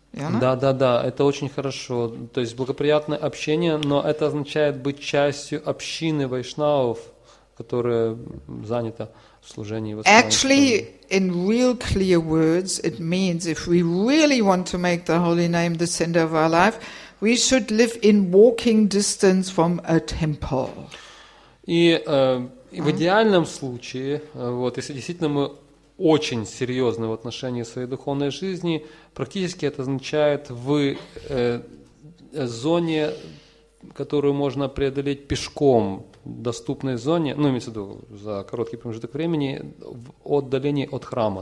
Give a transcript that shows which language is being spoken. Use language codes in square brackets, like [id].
[ru] Да, да, да, это очень хорошо. То есть благоприятное общение, но это означает быть частью общины вайшнавов, которая занята в служении. [en] Actually, in real clear words, it means if we really want to make the holy name the center of our life, we should live in walking distance from a temple. [ru] И в идеальном случае, вот, если действительно мы очень серьезны в отношении своей духовной жизни, практически это означает в зоне, которую можно преодолеть пешком, доступной зоне, ну, имеется в виду, за короткий промежуток времени, в отдалении от храма.